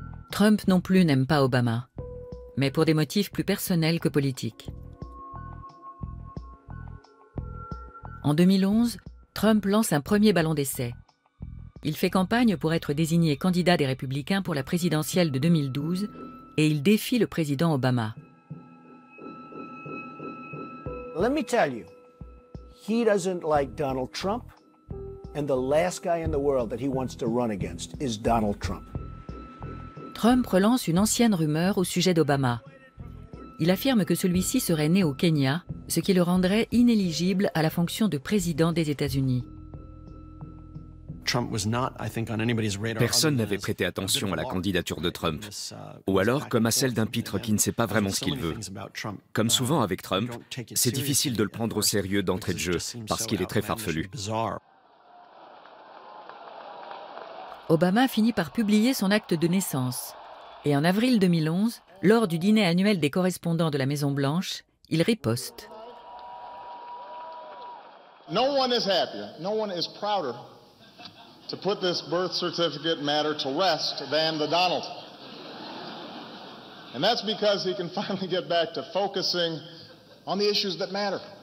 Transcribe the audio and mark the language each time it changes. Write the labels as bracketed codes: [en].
[fr] Trump non plus n'aime pas Obama, mais pour des motifs plus personnels que politiques. En 2011, Trump lance un premier ballon d'essai. Il fait campagne pour être désigné candidat des Républicains pour la présidentielle de 2012 et il défie le président Obama. [en] Let me tell you, he doesn't like Donald Trump and the last guy in the world that he wants to run against is Donald Trump. [fr] Trump relance une ancienne rumeur au sujet d'Obama. Il affirme que celui-ci serait né au Kenya, ce qui le rendrait inéligible à la fonction de président des États-Unis. Personne n'avait prêté attention à la candidature de Trump, ou alors comme à celle d'un pitre qui ne sait pas vraiment ce qu'il veut. Comme souvent avec Trump, c'est difficile de le prendre au sérieux d'entrée de jeu, parce qu'il est très farfelu. Obama finit par publier son acte de naissance, et en avril 2011, lors du dîner annuel des correspondants de la Maison-Blanche, il riposte. [en] No one is happier, no one is prouder to put this birth certificate matter to rest than the Donald. And that's because he can finally get back to focusing on the issues that matter.